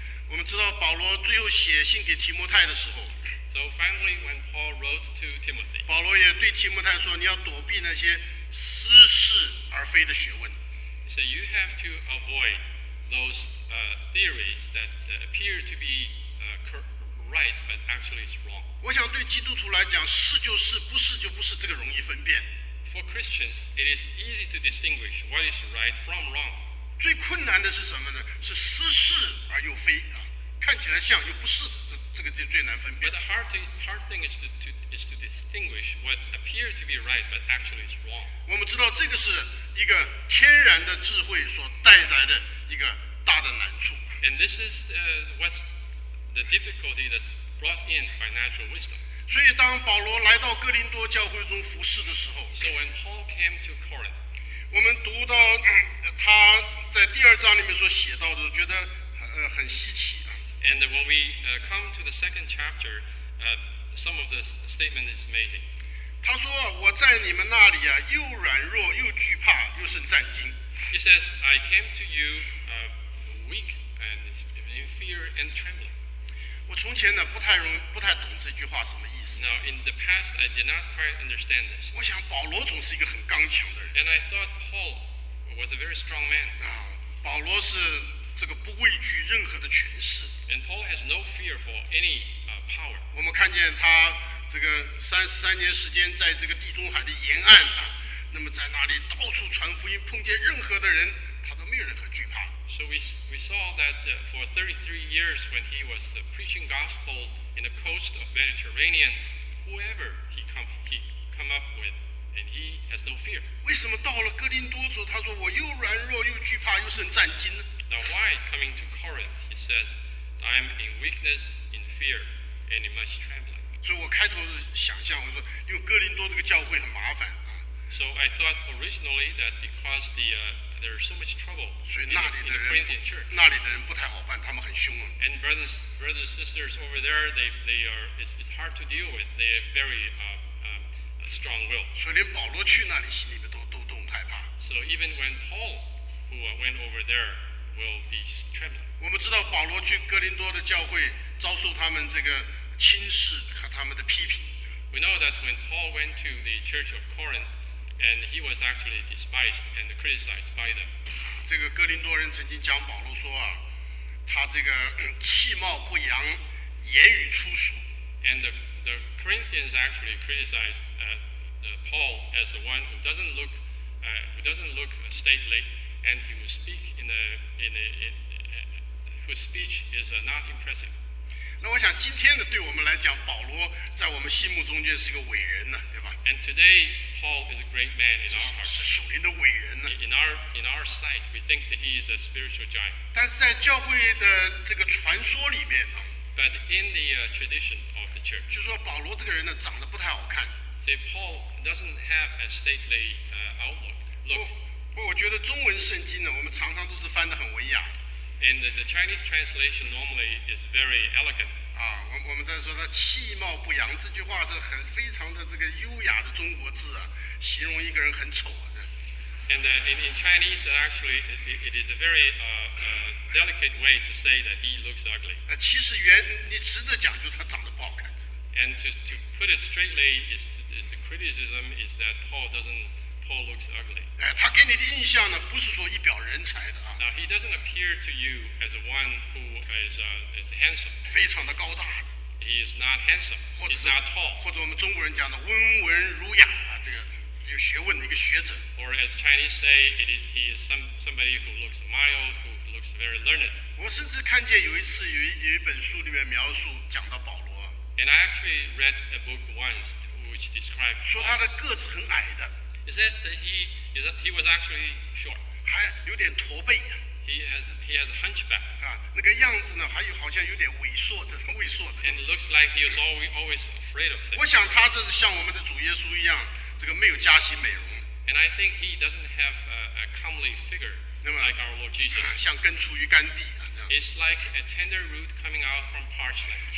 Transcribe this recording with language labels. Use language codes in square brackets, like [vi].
[zh] 我们知道保罗最后写信给提摩太的时候。 [en] So finally, when Paul wrote to Timothy, [zh] 保罗也对提摩太说，你要躲避那些似是而非的学问。 [en] He said, you have to avoid those theories that appear to be right, but actually it's wrong. [zh] 我想对基督徒来讲，是就是，不是就不是，这个容易分辨。 [en] For Christians, it is easy to distinguish what is right from wrong. [zh] 最困难的是什么呢？是似是而又非啊，看起来像又不是，这个就最难分辨。 [en] But the hard thing is to distinguish what appears to be right, but actually is wrong. [zh] 我们知道这个是一个天然的智慧所带来的一个大的难处。 [en] And this is what's the difficulty that's brought in by natural wisdom. [zh] 所以当保罗来到哥林多教会中服事的时候 [en] ，So when Paul came to Corinth, [zh] 我们读到他在第二章里面所写到的，觉得很稀奇。 [en] And when we come to the second chapter, some of the statement is amazing. [zh] 他说我在你们那里啊，又软弱又惧怕，又甚战惊。 [en] He says, I came to you weak and in fear and trembling. [zh] 我从前呢不太懂这句话什么意思。 [en] Now, in the past, I did not quite understand this. [zh] 我想保罗总是一个很刚强的人。 [en] And I thought Paul was a very strong man. [zh] 保罗是这个不畏惧任何的权势。 [en] And Paul has no fear for any power. [zh] 我们看见他这个33年时间在这个地中海的沿岸啊，那么在那里到处传福音，碰见任何的人，他都没有任何惧怕。 [en] So we saw that for 33 years when he was preaching gospel in the coast of Mediterranean, whoever he come up with, and he has no fear. [zh] 为什么到了哥林多之后，他说我又软弱又惧怕又甚战惊呢？ [en] Now why coming to Corinth, he says. I'm in weakness, in fear, and in much trembling. [zh] 所以我开头是想象，我说因为哥林多这个教会很麻烦啊。 [en] So I thought originally that because there is so much trouble. [zh] 所以那里的人 那里的人不太好办，他们很凶啊。 [en] And brothers, sisters over there, they are it's hard to deal with. They are very strong will. [zh] 所以连保罗去那里，心里面都很害怕。 [en] So even when Paul, who went over there, will be trembling. [zh] 我们知道保罗去哥林多的教会遭受他们这个轻视和他们的批评。 [en] We know that when Paul went to the church of Corinth, and he was actually despised and criticized by them. [zh] 这个哥林多人曾经讲保罗说啊，他这个气貌不扬，言语粗俗。 [en] And the Corinthians actually criticized Paul as the one who doesn't look stately, and he would speak whose speech is not impressive. [zh] 那我想今天呢，对我们来讲，保罗在我们心目中间是个伟人呢，对吧 [en] ？And today Paul is a great man in our heart. [zh] 是属灵的伟人呢。 [en] In our sight, we think that he is a spiritual giant. [zh] 但是在教会的这个传说里面啊 [en] ，But in the tradition of the church, [zh] 就说保罗这个人呢，长得不太好看。 [en] Say Paul doesn't have a stately outlook. Look, [zh] 我觉得中文圣经呢，我们常常都是翻得很文雅。 [en] And the Chinese translation normally is very elegant. [zh] 我们在说他气貌不扬，这句话是很非常的这个优雅的中国字啊，形容一个人很丑的。 [en] And in Chinese, actually, it is a very delicate way to say that he looks ugly. [zh] 其实原你直的讲，就是他长得不好看。 [en] And to put it straightly, is the criticism is that Paul looks ugly. [zh] 他给你的印象呢，不是说一表人才的。 [en] Now he doesn't appear to you as a one who is handsome. [zh] 非常的高大。 [en] He is not handsome. He's not tall. [zh] 或者我们中国人讲的温文儒雅啊，这个有学问的一个学者。 [en] Or as Chinese say, he is somebody who looks mild, who looks very learned. [zh] 我甚至看见有一次有一本书里面描述讲到保罗。 [en] And I actually read a book once which described [zh] 说他的个子很矮的。 [en] It says that he was actually short. [zh] 还有点驼背。 [en] He has a hunchback. [zh] 那个样子呢，还有好像有点萎缩，这种萎缩。 [en] And it looks like he is always afraid of things. [zh] 我想他这是像我们的主耶稣一样，这个没有加薪美容。 [en] And I think he doesn't have a comely figure like our Lord Jesus. [zh] 像根出于干地啊，这样。 [en] It's like a tender root coming out from parchment.